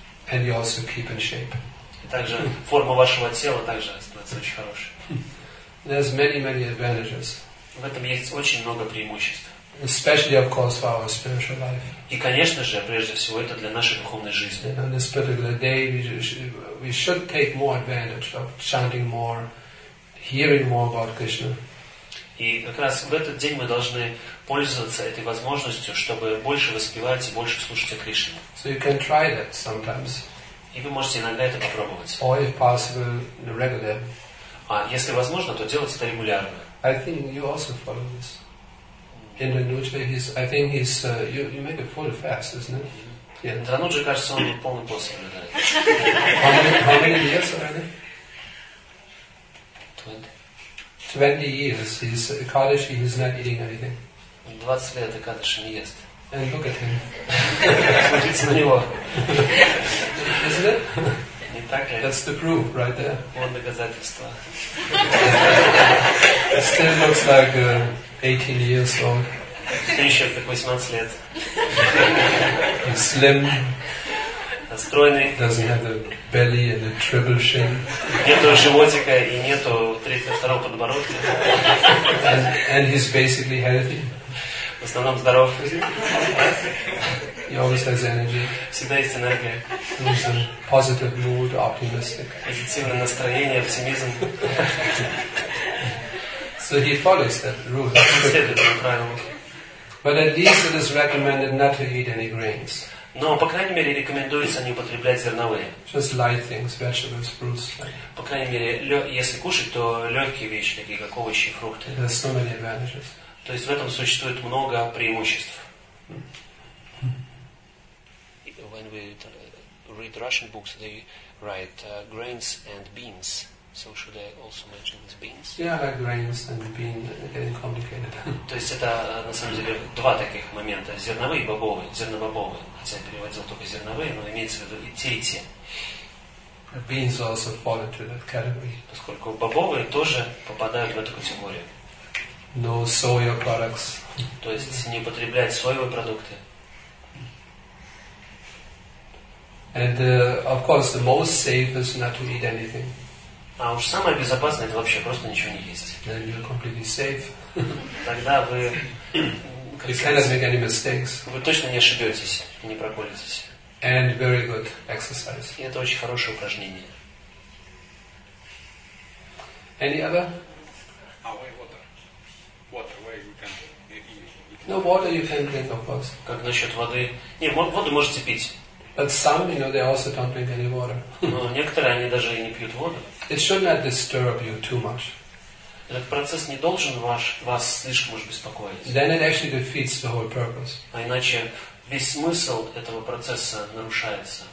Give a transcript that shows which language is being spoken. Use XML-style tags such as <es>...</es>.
<en>And you also keep in shape.</en> <ru>И также форма вашего тела также становится очень хорошей.</ru> <en>There's many, many advantages.</en> <ru>В этом есть очень много преимуществ.</ru> <en>Especially, of course, for our spiritual life.</en> <ru>И, конечно же, прежде всего, это для нашей духовной жизни.</ru> <en>And on this particular day, we should take more advantage of chanting more, hearing more about Krishna.</en> <ru>И как раз в этот день мы должны пользоваться этой возможностью, чтобы больше воспевать и больше слушать о Кришне.</ru> <en>So you can try that sometimes.</en> <ru>И вы можете иногда это попробовать.</ru> <en>Or if possible, regularly.</en> <ru>А если возможно, то делать это регулярно.</ru> <en>I think you also follow this. In the Nujve, I think he's you make a full fast, isn't it? Yeah.</en> <ru>Dhanuja, кажется, он полный пост соблюдает.</ru> <en>How many years already? 20. 20 years. He's a Kaddish, he's not eating anything.</en> <ru>20 лет, Kaddish, не ест.</ru> <en>And look at him.</en> <ru>Смотрите на него.</ru> <en>Isn't it?</en> <ru>Не так ли?</ru> <en>That's the proof, right there.</en> <ru>Вон доказательство.</ru> <en>It still looks like 18 years old.</en> <ru>Все еще так 18 лет.</ru> <en>He's slim.</en> <ru>Стройный.</ru> <en>Doesn't have the belly and a triple chin.</en> <ru>Нету животика и нету 32-го подбородка.</ru> <en>And he's basically healthy.</en> <ru>В основном здоров.</ru> <en>He always has energy.</en> <ru>Всегда есть энергия.</ru> <en>He's in positive mood, optimistic.</en> <ru>Позитивное настроение, оптимизм.</ru> <en>So he follows that rule.</en> <ru>Следует этому правилу.</ru> <en>But at least it is recommended not to eat any grains.</en> <ru>Но, по крайней мере, рекомендуется не употреблять зерновые.</ru> <en>Just light things, vegetables, fruits.</en> <ru>По крайней мере, если кушать, то легкие вещи, такие как овощи и фрукты.</ru> <en>There's so many advantages.</en> <ru>То есть в этом существует много преимуществ.</ru> <en>When we read Russian books, they write grains and beans. So should I also mention these beans? Yeah, like grains and beans are getting complicated.</en> <ru>То есть это на самом деле два таких момента: зерновые и бобовые. Зернобобовые. Хотя я переводил только зерновые, но имеется в виду и те, и те.</ru> <en>Beans also fall into that category.</en> <ru>Поскольку бобовые тоже попадают в эту категорию.</ru> <en>No soy products.</en> <ru>То есть не употреблять соевые продукты.</ru> <en>And of course, the most safe is not to eat anything.</en> <ru>А уж самое безопасное — это вообще просто ничего не есть.</ru> <en>Then you're completely safe.</en> <ru>Тогда вы...</ru> <en>You cannot make any mistakes.</en> <ru>Вы точно не ошибетесь и не проколетесь.</ru> <en>And very good exercise.</en> <ru>И это очень хорошее упражнение.</ru> <en>Any other? Water, where you can eat. No, water you can drink, of course.</en> <ru>Как насчет воды? Не, воду можете пить.</ru> <en>But some, you know, they also don't drink any water.</en> <ru>Но некоторые они даже и не пьют воду.</ru> <en>It should not disturb you too much.</en> <ru>Этот процесс не должен вас слишком уж беспокоить.</ru> <en>Then it actually defeats the whole purpose.</en> <ru>А иначе весь смысл этого процесса нарушается.</ru>